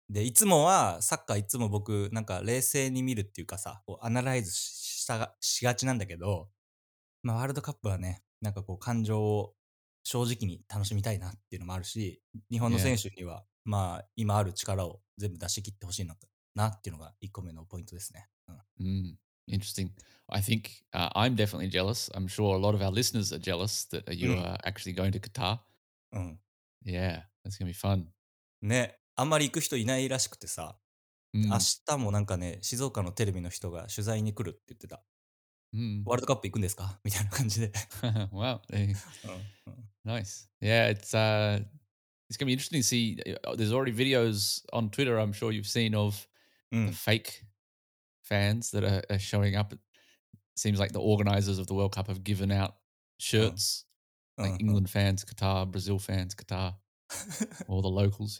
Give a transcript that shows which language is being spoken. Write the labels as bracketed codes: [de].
[ja] で、いつもはサッカーいつも僕、なんか冷静に見るっていうかさ、こうアナライズしがちなんだけど、ワールドカップはね、なんかこう感情を正直に楽しみたいなっていうのもあるし、日本の選手には、今ある力を全部出し切ってほしいのかなっていうのが1個目のポイントですね。 [en] Interesting. I think、I'm definitely jealous. I'm sure a lot of our listeners are jealous that you are actually going to Qatar. Yeah, that's gonna be fun. [ja] ね、あんまり行く人いないらしくてさ、明日もなんかね、静岡のテレビの人が取材に来るって言ってた。ワールドカップ行くんですかみたいな感じで。 [en] Wow. Nice. Yeah, it's going to be interesting to see. There's already videos on Twitter, I'm sure you've seen, of the fake fans that are showing up. It seems like the organizers of the World Cup have given out shirts. England fans, Qatar, Brazil fans, Qatar. All the locals.